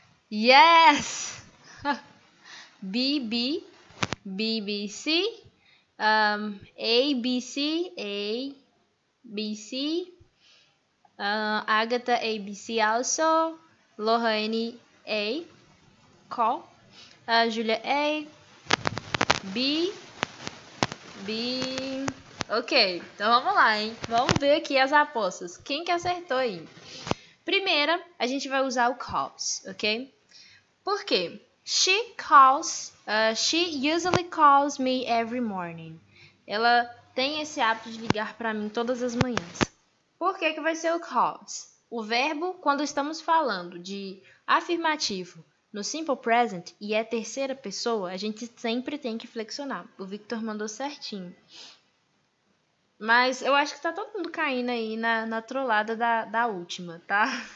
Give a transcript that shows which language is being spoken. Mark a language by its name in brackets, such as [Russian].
[Portuguese] Yes! BB, BBC, ABC, ABC, Agatha, ABC also, Lohane, A, call, Julia, A, B, B... Ok, então vamos lá, hein? Vamos ver aqui as apostas. Quem que acertou aí? Primeira, a gente vai usar o calls, ok? Por quê? [English] She calls, she usually calls me every morning. [Portuguese] Ela tem esse hábito de ligar pra mim todas as manhãs. Por que que vai ser o calls? O verbo, quando estamos falando de afirmativo, no simple present e é terceira pessoa, a gente sempre tem que flexionar. O Victor mandou certinho. Mas eu acho que tá todo mundo caindo aí na trollada da última, tá?